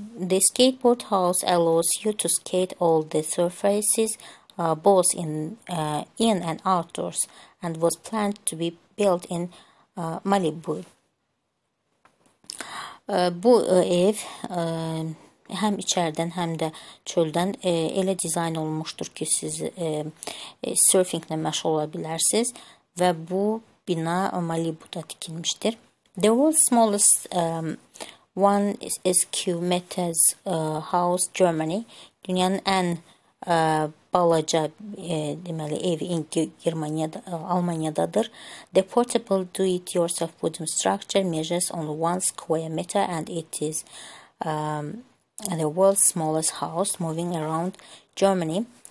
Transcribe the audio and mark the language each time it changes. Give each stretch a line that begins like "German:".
English: The skateboard house allows you to skate all the surfaces, both in and outdoors, and was planned to be built in Malibu.
Azerbaijani: Bu ev həm içərdən, həm də çöldən elə dizayn olmuşdur ki, siz surfinglə məşğul ola bilərsiniz. Və bu bina Malibu'da tikilmişdir.
English: The world's smallest 1 sq metres house Germany.
Azerbaijani: Dünyanın ən balaca deməli evi Almanya'dadır.
English: The portable do-it-yourself wooden structure measures only 1 square meter and it is the world's smallest house moving around Germany.